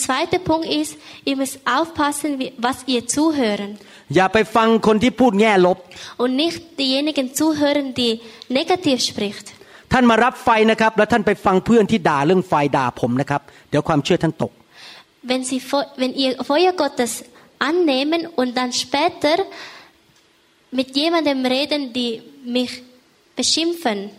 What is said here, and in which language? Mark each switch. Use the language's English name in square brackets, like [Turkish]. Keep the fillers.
[German] zweiter Punkt ist, ihr müsst aufpassen, was ihr zuhören. [Thai] อย่าไปฟังคนที่พูดแง่ลบ [German] Und nicht diejenigen zuhören, die negativ spricht. [Thai] ท่านมารับไฟนะครับแล้วท่านไปฟังเพื่อนที่ด่าเรื่องไฟด่าผมนะครับเดี๋ยวความเชื่อท่านตก [German] Wenn Sie wenn ihr Feuer Gottes annehmen und dann später mit jemandem reden, die mich beschimpfen,